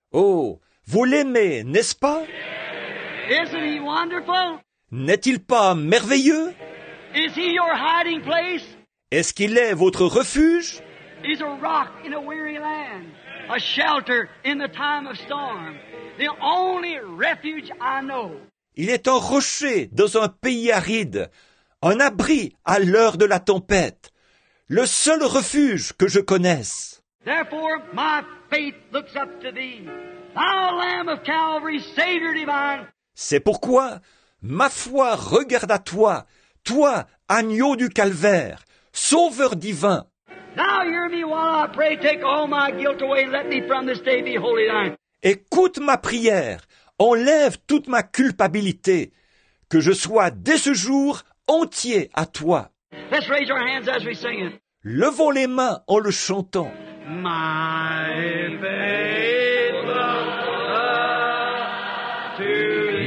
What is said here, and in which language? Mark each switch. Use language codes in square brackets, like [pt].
[fr] Oh, vous l'aimez, n'est-ce pas? [en] Isn't he wonderful? [fr] N'est-il pas merveilleux? [en] Is he your hiding place? [fr] Est-ce qu'il est votre refuge? [en] He's a rock in a weary land, a shelter in the time of storm, the only refuge I know. [fr] Il est un rocher dans un pays aride, un abri à l'heure de la tempête, le seul refuge que je connaisse. [en] Therefore, my faith looks up to thee, thou Lamb of Calvary, Savior divine. [fr] C'est pourquoi ma foi regarde à toi, toi, agneau du calvaire, sauveur divin. [en] Now hear me while I pray, take all my guilt away, let me from this day be holy thine. [fr] Écoute ma prière, enlève toute ma culpabilité, que je sois dès ce jour entier à toi. [en] Let's raise our hands as we sing it. [fr] Levons les mains en le chantant. [en] My faith looks up to thee.